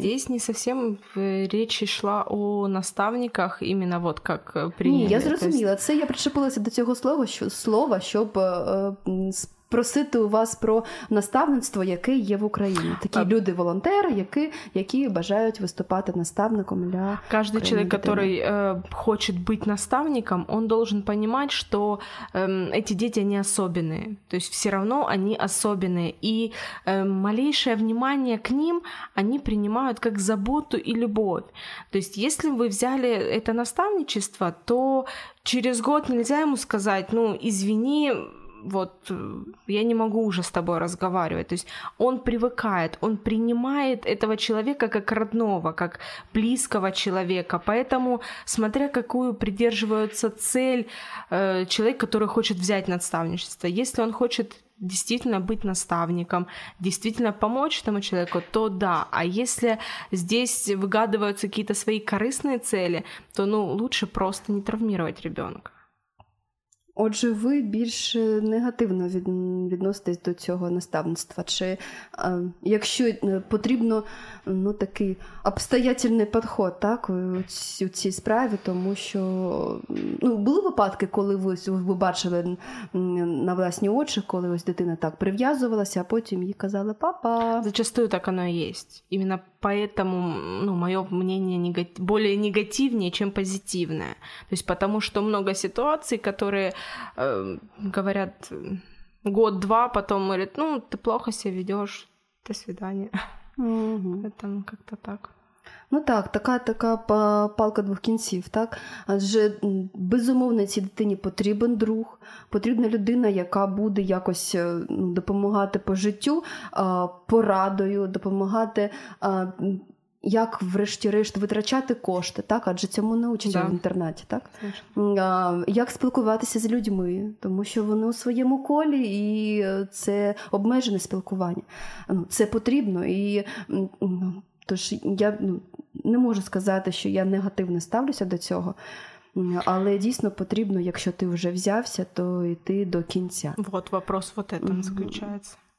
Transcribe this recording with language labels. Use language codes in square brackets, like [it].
[uk] Здесь не совсім річ йшла о наставниках, іменно вот як прийняли. Ні, я зрозуміла. Це я причепилася до цього слова, що слова, щоб просити у вас про наставництво, яке є в Україні. Такі люди-волонтери, які бажають виступати наставником для України. [ru] Каждый человек, который хочет быть наставником, он должен понимать, что эти дети, они особенные. То есть все равно они особенные. И малейшее внимание к ним они принимают как заботу и любовь. То есть если вы взяли это наставничество, то через год нельзя ему сказать, ну, извини, вот я не могу уже с тобой разговаривать. То есть он привыкает, он принимает этого человека как родного, как близкого человека. Поэтому, смотря какую придерживается цель человек, который хочет взять наставничество, если он хочет действительно быть наставником, действительно помочь этому человеку, то да. А если здесь выгадываются какие-то свои корыстные цели, то ну, лучше просто не травмировать ребенка. [uk] Отже, ви більш негативно відноситесь до цього наставництва? Чи якщо потрібно ну, такий обстоятельний підход так, у цій справі, тому що ну, були випадки, коли ви бачили на власні очі, коли ось дитина так прив'язувалася, а потім їй казали «папа». Зачастую так воно і є. [ru] Іменно поэтому, ну, моё мнение более негативнее, чем позитивное. То есть потому что много ситуаций, которые говорят год-два, потом говорят, ну, ты плохо себя ведёшь, до свидания. Mm-hmm. Поэтому как-то так. [uk] Ну так, така палка двох кінців, так? Адже, безумовно, цій дитині потрібен друг, потрібна людина, яка буде якось допомагати по життю, порадою, допомагати, як врешті-решт витрачати кошти, так? Адже цьому не учать в інтернаті, так? Як спілкуватися з людьми, тому що вони у своєму колі, і це обмежене спілкування. Це потрібно, і... Тож я не можу сказати, що я негативно ставлюся до цього, але дійсно потрібно, якщо ти вже взявся, то йти до кінця. [ru] От вопрос вот этом заключається.